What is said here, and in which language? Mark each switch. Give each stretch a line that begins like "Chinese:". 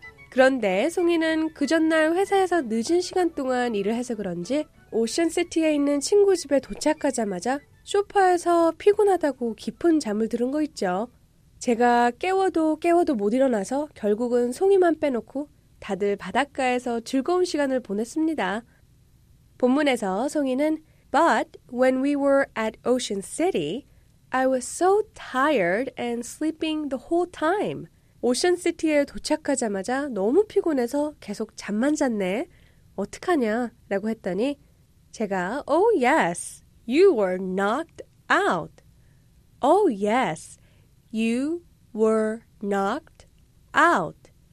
Korean: 그런데 송이는 그 전날 회사에서 늦은 시간 동안 일을 해서 그런지 오션 시티에 있는 친구 집에 도착하자마자 소파에서 피곤하다고 깊은 잠을 들은 거 있죠. 제가 깨워도 못 일어나서 결국은 송이만 빼놓고 다들 바닷가에서 즐거운 시간을 보냈습니다. 본문에서 송이는
English: But when we were at Ocean City, I was so tired and sleeping the whole time.
Korean: 오션 시티에 도착하자마자 너무 피곤해서 계속 잠만 잤네. 어떡하냐? 라고 했더니 제가
English: Oh yes, you were knocked out. Oh yes. You were knocked out.